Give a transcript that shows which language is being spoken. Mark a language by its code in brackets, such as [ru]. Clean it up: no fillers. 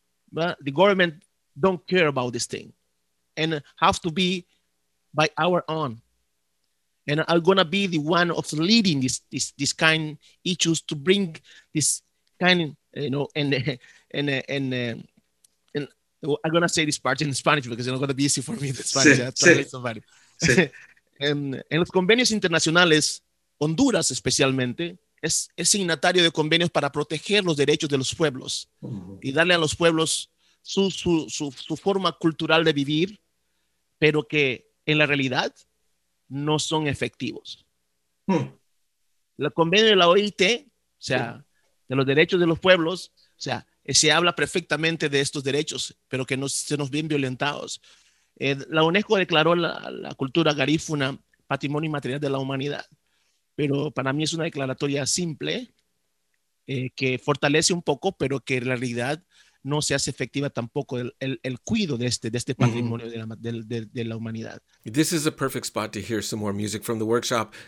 [en] But the government don't care about this thing and have to be by our own. And I'm gonna be the one of leading this kind issues to bring this kind, you know, and I'm gonna say this part in Spanish because it's not gonna be easy for me. The Spanish, sorry, somebody. [es] En los convenios internacionales, Honduras especialmente es signatario de convenios para proteger los derechos de los pueblos y darle a los pueblos su forma cultural de vivir, pero que en la realidad no son efectivos. El convenio de la OIT, o sea, de los derechos de los pueblos, o sea, se habla perfectamente de estos derechos, pero que no se nos ven violentados. La UNESCO declaró la cultura garífuna patrimonio inmaterial de la humanidad, pero para mí es una declaratoria simple que fortalece un poco, pero que en realidad no se hace efectiva tampoco el cuido de este patrimonio mm-hmm. de la humanidad. [en] This is a perfect spot to hear some more music from the workshop.